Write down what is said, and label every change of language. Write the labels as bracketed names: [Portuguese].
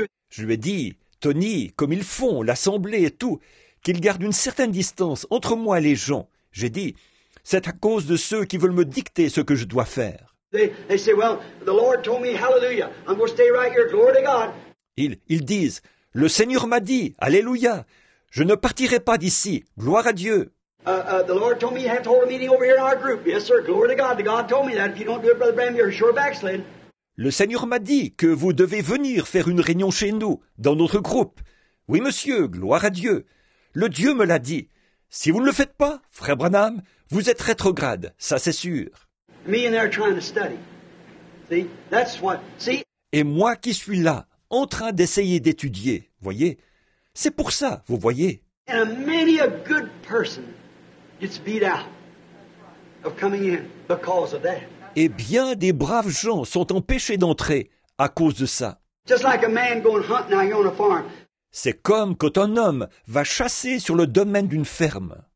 [French] Je lui ai dit, Tony, comme ils font, l'assemblée et tout, qu'ils gardent une certaine distance entre moi et les gens. J'ai dit, c'est à cause de ceux qui veulent me dicter ce que je dois faire. [English] They say, well, the Lord told me, hallelujah, I'm going to stay right here, glory to God. [French] Ils disent, le Seigneur m'a dit, alléluia, je ne partirai pas d'ici, gloire à Dieu. [English] The Lord told me you have to hold a meeting over here in our group. Yes, sir, glory to God. The God told me that if you don't do it, Brother Branham, you're sure backslid. [French] Le Seigneur m'a dit que vous devez venir faire une réunion chez nous, dans notre groupe. Oui, monsieur, gloire à Dieu. Le Dieu me l'a dit. Si vous ne le faites pas, Frère Branham, vous êtes rétrograde, ça c'est sûr. [English] Me and they're trying to study. See, that's what. See. [French] Et moi qui suis là, en train d'essayer d'étudier, voyez, c'est pour ça, vous voyez. [English] And many a good person gets beat out of coming in because of that. [French] Et bien des braves gens sont empêchés d'entrer à cause de ça. [English] Just like a man going hunting out here on a farm. [French] C'est comme quand un homme va chasser sur le domaine d'une ferme.